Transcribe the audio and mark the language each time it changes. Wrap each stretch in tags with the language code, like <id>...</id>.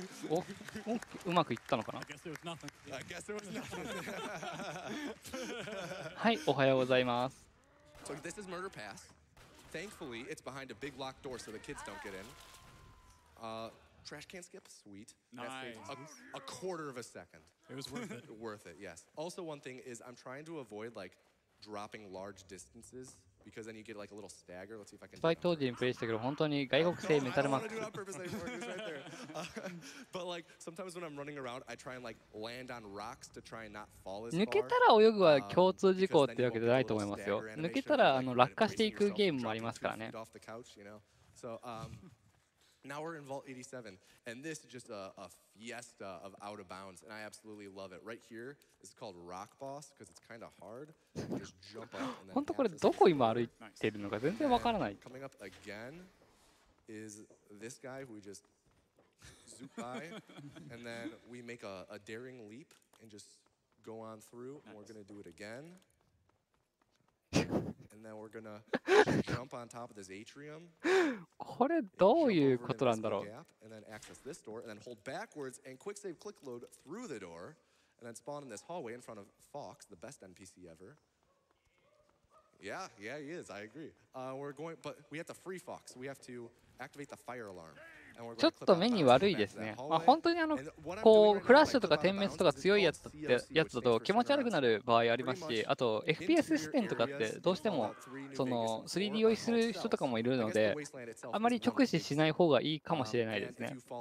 <ja>Oh, うまくいったのかな?</ja> <en>I guess there was nothing.</en> <ja>はい、おはようございます。</ja> <en>So this is Murder Pass. Thankfully, it's behind a big locked door so the kids don't get in. Trash can skip, sweet. Nice. A quarter of a second. It was worth it. Worth it, yes. Also, one thing is I'm trying to avoid, like, dropping large distances. Because then you get like a little stagger. Let's see if I can. So I told you in place to go.</en> <ja>本当に外国製メタルマック。</ja> <en>I don't want to do it on purpose. It's right there. But like sometimes when I'm running around, I try and like land on rocks to try and not fall as far.</en> <ja>抜けたら泳ぐは共通事項ってわけじゃないと思いますよ。抜けたら落下していくゲームもありますからね。</ja> <en>Off the couch, you know. So now we're in Vault 87, and this is just a fiesta of out of bounds, and I absolutely love it. Right here, this is called Rock Boss because it's kind of hard. Just jump up.</en> <ja>本当これどこ今歩いてるのか全然わからない。</ja> <en>Coming up again is this guy who we just zoop by, and then we make a daring leap and just go on through. And we're gonna do it again, and then we're gonna jump on top of this atrium.</en> <ja>これどういうことなんだろう。</ja> <en>And then access this door, and then hold backwards and quick save click load through the door, and then spawn in this hallway in front of Fox, the best NPC ever. Yeah, yeah, he is. I agree. We're going, but we have to free Fox. We have to activate the fire alarm.</en> <ja>ちょっと目に悪いですね。まあ本当にこうフラッシュとか点滅とか強いやつだと気持ち悪くなる場合ありますし、あと FPS 視点とかってどうしてもその 3D 酔いする人とかもいるので、あまり直視しない方がいいかもしれないですね。</ja>